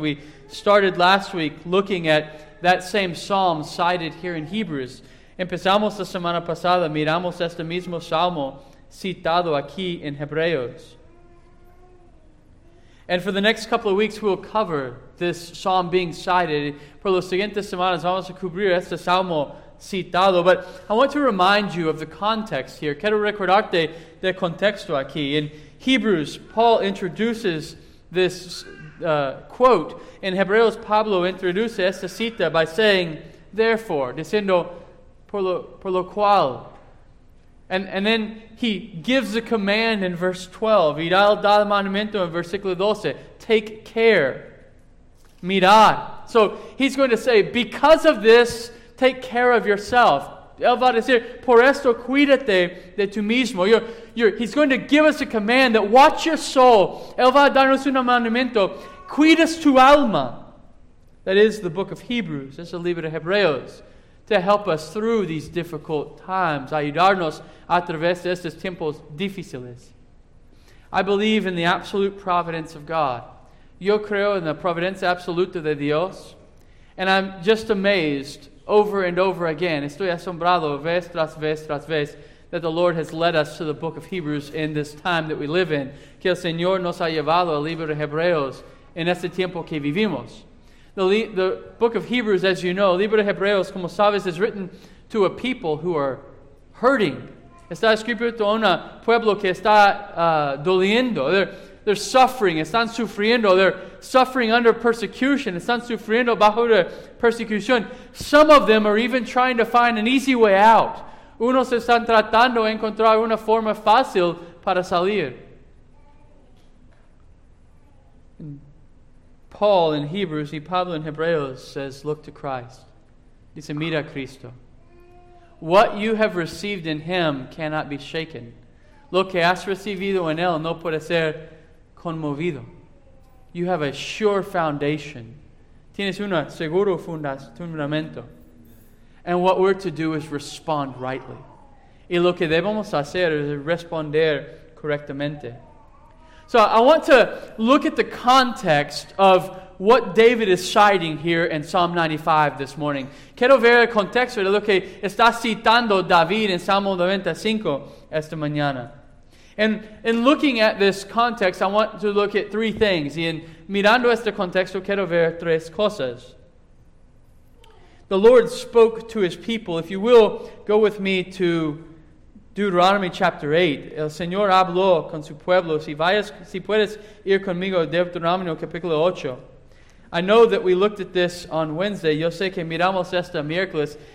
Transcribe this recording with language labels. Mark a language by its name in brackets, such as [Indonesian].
[English] We started last week looking at that same psalm cited here in Hebrews. [Spanish] Empezamos la semana pasada, miramos este mismo Salmo citado aquí en Hebreos. [English] And for the next couple of weeks, we'll cover this Psalm being cited. [Spanish] Por las siguientes semanas, vamos a cubrir este Salmo citado. [English] But I want to remind you of the context here. [Spanish] Quiero recordarte del contexto aquí. [English] In Hebrews, Paul introduces this quote. [Spanish] In Hebreos, Pablo introduce esta cita [English] by saying, therefore, [Spanish] diciendo, Por lo cual. [English] And then he gives a command in verse 12. [Spanish] Mirad el mandamiento in versículo 12. [English] Take care. [Spanish] Mirad. [English] So he's going to say, because of this, take care of yourself. [Spanish] Él va a decir, por esto cuídate de tu mismo. [English] He's going to give us a command that watch your soul. [Spanish] Él va a darnos un mandamiento. Cuidas tu alma. [English] That is the book of Hebrews. That's the [Spanish] libro de Hebreos. [English] To help us through these difficult times. [Spanish] Ayudarnos a través de estos tiempos difíciles. [English] I believe in the absolute providence of God. [Spanish] Yo creo en la providencia absoluta de Dios. [English] And I'm just amazed over and over again. [Spanish] Estoy asombrado vez tras vez tras vez. [English] That the Lord has led us to the book of Hebrews in this time that we live in. [Spanish] Que el Señor nos ha llevado al libro de Hebreos en este tiempo que vivimos. [English] The book of Hebrews, as you know, [Spanish] Libro de Hebreos, como sabes, [English] is written to a people who are hurting. [Spanish] Está escrito a un pueblo que está doliendo. [English] They're suffering. [Spanish] Están sufriendo. [English] They're suffering under persecution. [Spanish] Están sufriendo bajo de persecución. [English] Some of them are even trying to find an easy way out. [Spanish] Unos están tratando de encontrar una forma fácil para salir. [English] Paul in Hebrews, [Spanish] y Pablo [English] in Hebreos, says, look to Christ. [Spanish] Dice, mira a Cristo. [English] What you have received in Him cannot be shaken. [Spanish] Lo que has recibido en Él no puede ser conmovido. [English] You have a sure foundation. [Spanish] Tienes un seguro fundamento. [English] And what we're to do is respond rightly. [Spanish] Y lo que debemos hacer es responder correctamente. [English] So I want to look at the context of what David is citing here in Psalm 95 this morning. [Spanish] Quiero ver el contexto de lo que está citando David en Salmo 95 esta mañana. [English] And in looking at this context, I want to look at three things. [Spanish] Y en mirando este contexto, quiero ver tres cosas. [English] The Lord spoke to his people. If you will, go with me to Deuteronomy chapter 8. [Spanish] El Señor habló con su pueblo. Si puedes ir conmigo, Deuteronomio capítulo 8. [English] I know that we looked at this on Wednesday. [Spanish] Yo sé que miramos esta miércoles.